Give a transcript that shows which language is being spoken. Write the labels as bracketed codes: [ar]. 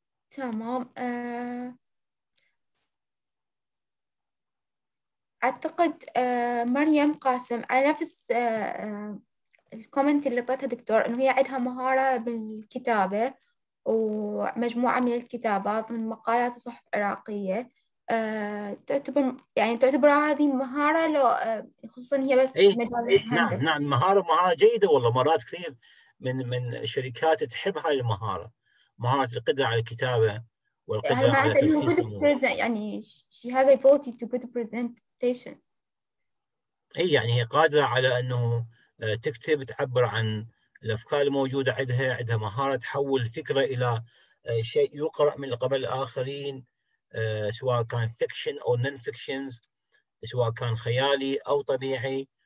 [ar] تمام اعتقد مريم قاسم على نفس الكومنت اللي طلعتها دكتور انه هي عندها مهارة بالكتابة ومجموعة من الكتابات من مقالات وصحف عراقية تعتبر هذه مهارة لو خصوصا هي بس نعم مهارة جيدة والله مرات كثير من شركات تحب هاي المهارة مهارة القدرة على الكتابة والقدرة على تلخيص [en] يعني she has ability to good presentation [ar] اي يعني هي قادرة على انه تكتب تعبر عن الافكار الموجوده عندها، عندها مهاره تحول الفكره الى شيء يقرا من قبل الاخرين، سواء كان فيكشن او نون فيكشنز، سواء كان خيالي او طبيعي.